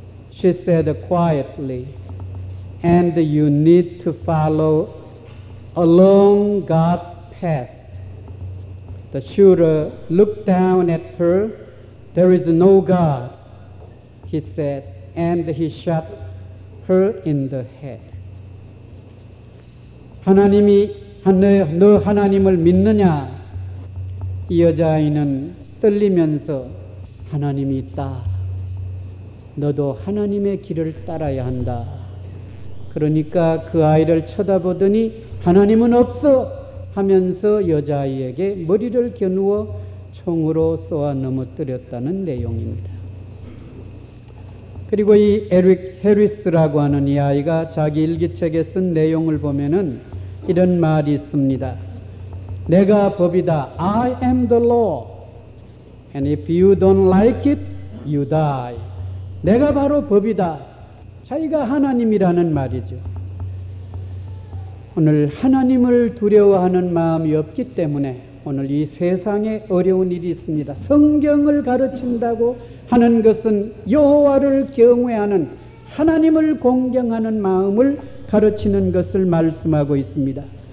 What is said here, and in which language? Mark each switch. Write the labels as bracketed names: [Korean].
[English] She said quietly, and you need to follow along God's path. The shooter looked down at her. There is no God, he said, and he shot her in the head. [Korean] 하나님이 너 하나님을 믿느냐? 이 여자아이는 떨리면서 하나님이 있다. 너도 하나님의 길을 따라야 한다. 그러니까 그 아이를 쳐다보더니 하나님은 없어 하면서 여자아이에게 머리를 겨누어 총으로 쏘아 넘어뜨렸다는 내용입니다. 그리고 이 에릭 해리스라고 하는 이 아이가 자기 일기책에 쓴 내용을 보면은 이런 말이 있습니다. 내가 법이다. [English] I am the law. And if you don't like it, you die. [Korean] 내가 바로 법이다. 자기가 하나님이라는 말이죠. 오늘 하나님을 두려워하는 마음이 없기 때문에 오늘 이 세상에 어려운 일이 있습니다. 성경을 가르친다고 하는 것은 여호와를 경외하는 하나님을 공경하는 마음을 가르치는 것을 말씀하고 있습니다.